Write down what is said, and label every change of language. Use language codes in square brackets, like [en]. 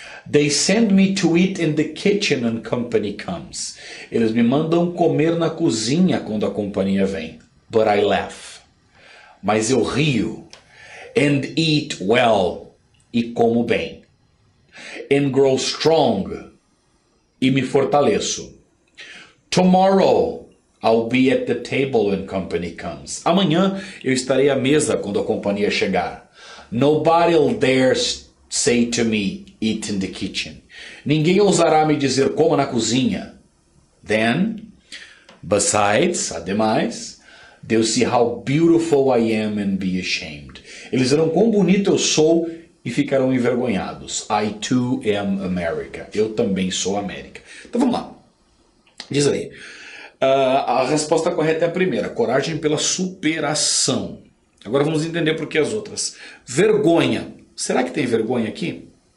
[en] They send me to eat in the kitchen when company comes. [pt] Eles me mandam comer na cozinha quando a companhia vem. [en] But I laugh. [pt] Mas eu rio. [en] And eat well. [pt] E como bem. [en] And grow strong. [pt] E me fortaleço. [en] Tomorrow I'll be at the table when company comes. [pt] Amanhã eu estarei à mesa quando a companhia chegar. [en] Nobody will dare say to me, eat in the kitchen. [pt] Ninguém ousará me dizer, coma na cozinha. [en] Then, besides, [pt] ademais, [en] they'll see how beautiful I am and be ashamed. [pt] Eles verão quão bonito eu sou e ficarão envergonhados. [en] I too am America. [pt] Eu também sou América. Então vamos lá. Diz aí. A resposta correta é a primeira, coragem pela superação. Agora vamos entender por que as outras. Vergonha. Será que tem vergonha aqui?